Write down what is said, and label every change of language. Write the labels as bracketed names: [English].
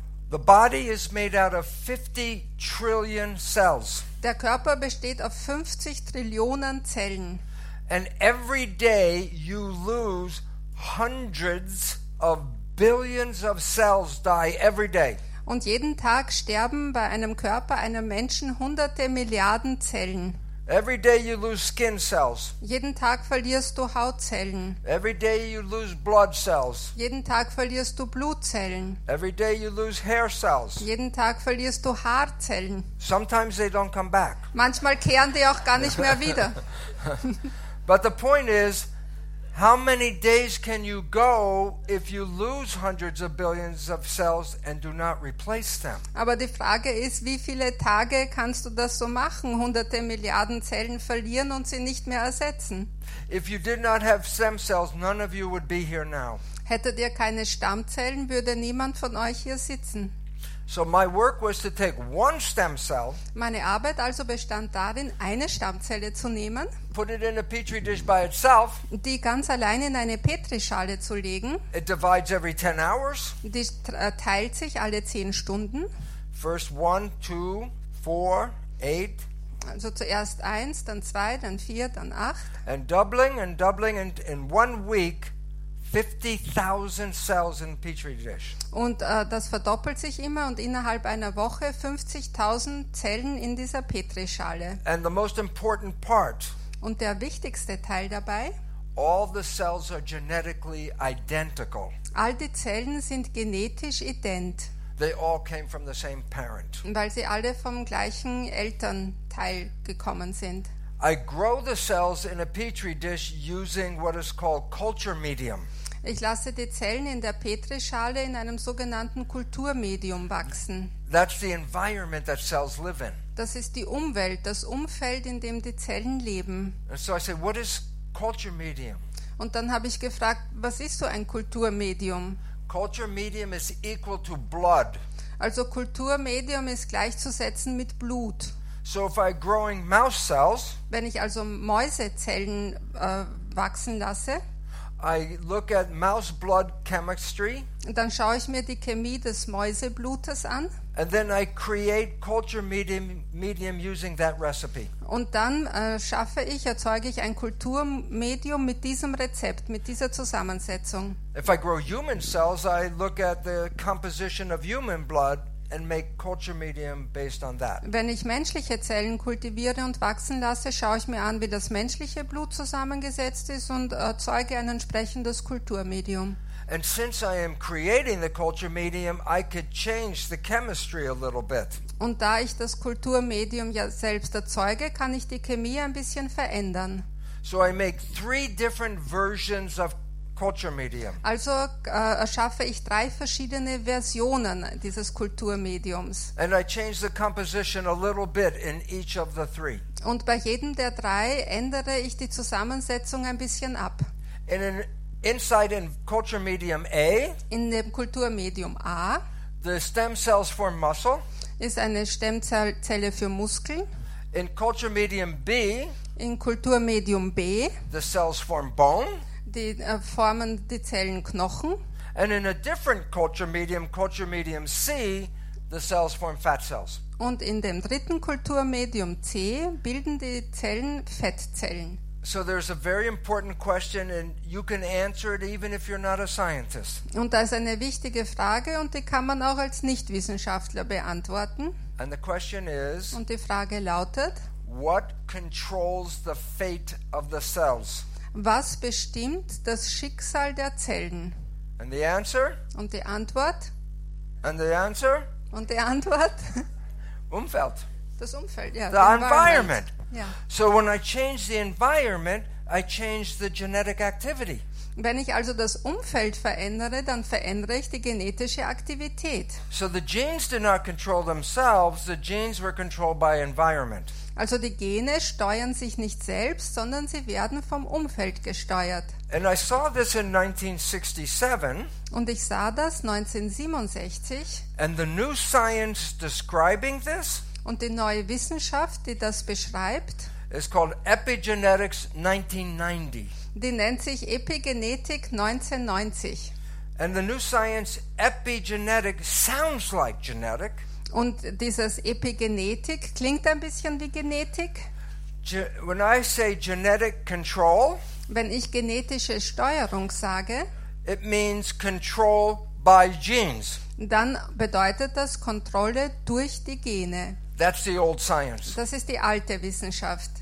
[English] The body is made out of 50 trillion cells. [German] Der Körper besteht aus 50 Trillionen Zellen. [English] And every day you lose hundreds of billions of cells die every day. [German] Und jeden Tag sterben bei einem Körper einem Menschen hunderte Milliarden Zellen. [English] Every day you lose skin cells. [German] Jeden Tag verlierst du Hautzellen. [English] Every day you lose blood cells. [German] Jeden Tag verlierst du Blutzellen. [English] Every day you lose hair cells. [German] Jeden Tag verlierst du Haarzellen. [English] Sometimes they don't come back. [German] Manchmal kehren die auch gar nicht mehr wieder. [English] But the point is, how many days can you go if you lose hundreds of billions of cells and do not replace them? [German] Aber die Frage ist, wie viele Tage kannst du das so machen, hunderte Milliarden Zellen verlieren und sie nicht mehr ersetzen? [English] If you did not have stem cells, none of you would be here now. [German] Hättet ihr keine Stammzellen, würde niemand von euch hier sitzen. [English] So my work was to take one stem cell. [German] Meine Arbeit also bestand darin, eine Stammzelle zu nehmen. [English] Put it in a petri dish by itself. [German] Die ganz allein in eine Petrischale zu legen. [English] It divides every 10 hours. [German] Die teilt sich alle 10 Stunden. [English] First 1, 2, 4, 8. [German] Also zuerst 1, dann 2, dann 4, dann 8. [English] And doubling and doubling and in 1 week 50,000 cells in petri dish. [German] Und das verdoppelt sich immer und innerhalb einer Woche 50,000 Zellen in dieser Petrischale. [English] And the most important part. [German] Und der wichtigste Teil dabei. [English] All the cells are genetically identical. [German] All die Zellen sind genetisch ident. [English] They all came from the same parent. [German] Weil sie alle vom gleichen Elternteil gekommen sind. [English] I grow the cells in a petri dish using what is called culture medium. [German] Ich lasse die Zellen in der Petrischale in einem sogenannten Kulturmedium wachsen. [English] That's the environment that cells live in. [German] Das ist die Umwelt, das Umfeld, in dem die Zellen leben. [English] And so I said, what is culture medium? [German] Und dann habe ich gefragt, was ist so ein Kulturmedium? [English] Culture medium is equal to blood. [German] Also Kulturmedium ist gleichzusetzen mit Blut. [English] So if I'm growing mouse cells, [German] wenn ich also Mäusezellen wachsen lasse, [English] I look at mouse blood chemistry, [German] dann schaue ich mir die Chemie des Mäuseblutes an, [English] and then I create culture medium using that recipe. [German] Und dann erzeuge ich ein Kulturmedium mit diesem Rezept, mit dieser Zusammensetzung. [English] If I grow human cells, I look at the composition of human blood and make culture medium based on that. [German] Wenn ich menschliche Zellen kultiviere und wachsen lasse, schaue ich mir an, wie das menschliche Blut zusammengesetzt ist und erzeuge ein entsprechendes Kulturmedium. [English] And since I am creating the culture medium, I could change the chemistry a little bit. [German] Und da ich das Kulturmedium ja selbst erzeuge, kann ich die Chemie ein bisschen verändern. [English] So I make three different versions of culture medium. [German] Also erschaffe ich drei verschiedene Versionen dieses Kulturmediums. [English] And I change the composition a little bit in each of the three. [German] Und bei jedem der drei ändere ich die Zusammensetzung ein bisschen ab. [English] Inside in culture medium A, [German] in dem Kulturmedium A, [English] the stem cells form muscle, [German] ist eine Stammzelle für Muskeln. [English] In culture medium B, [German] in Kulturmedium B, [English] the cells form bone, [German] die formen die Zellen Knochen. [English] And in a different culture medium C, the cells form fat cells. [German] Und in dem dritten Kulturmedium C bilden die Zellen Fettzellen. [English] So there's a very important question and you can answer it even if you're not a scientist. [German] Und da ist eine wichtige Frage und die kann man auch als Nichtwissenschaftler beantworten. [English] And the question is, [German] und die Frage lautet, [English] what controls the fate of the cells? [German] Was bestimmt das Schicksal der Zellen? [English] And the answer? [German] Und die Antwort? [English] And the answer? [German] Und die Antwort? Umfeld. Das Umfeld, ja. [English] The environment. Yeah. So when I change the environment, I change the genetic activity. [German] Wenn ich also das Umfeld verändere, dann verändere ich die genetische Aktivität. [English] So the genes do not control themselves, the genes were controlled by environment. [German] Also die Gene steuern sich nicht selbst, sondern sie werden vom Umfeld gesteuert. [English] And I saw this in 1967. [German] Und ich sah das 1967. [English] And the new science describing this. [German] Und die neue Wissenschaft, die das beschreibt, [English] is called Epigenetics 1990. [German] Die nennt sich Epigenetik 1990. [English] And the new science epigenetic sounds like genetic. [German] Und dieses Epigenetik klingt ein bisschen wie Genetik. [English] When I say genetic control, [German] wenn ich genetische Steuerung sage, [English] it means control by genes. [German] Dann bedeutet das Kontrolle durch die Gene. [English] That's the old science. [German] Das ist die alte Wissenschaft.